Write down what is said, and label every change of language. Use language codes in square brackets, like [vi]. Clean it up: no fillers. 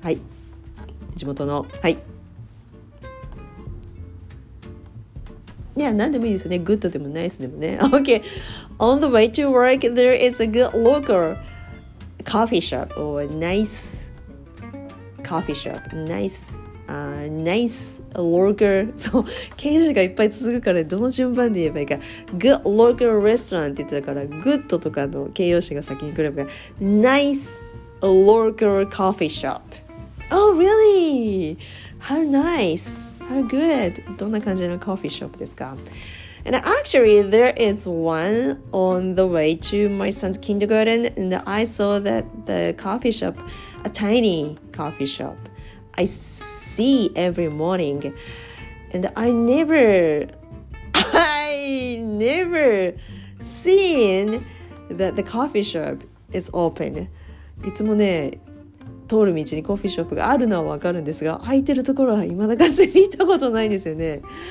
[ja] はい、地元の、はい、いや、何でもいいですね。グッドでもナイスでもね。 OK。 [en] On the way to work, there is a good local coffee shop or a nice coffee shop. Nice, nice local. [ja] そう、形容詞がいっぱい続くから、どの順番で言えばいいか。 [en] Good local restaurant [ja] って言ってたから、グッドとかの形容詞が先に来れば。 [en] Nice local coffee shop. Oh, really? How nice! How good! [ja] どんな感じのコーヒーショップですか? [en] And actually, there is one on the way to my son's kindergarten, and I saw that the coffee shop, a tiny coffee shop, I see every morning, and I never seen that the coffee shop is open. [ja] いつもね、通る道にコーヒーショップがあるのはわかるんですが、空いてるところは未だかつて見たことないんですよね。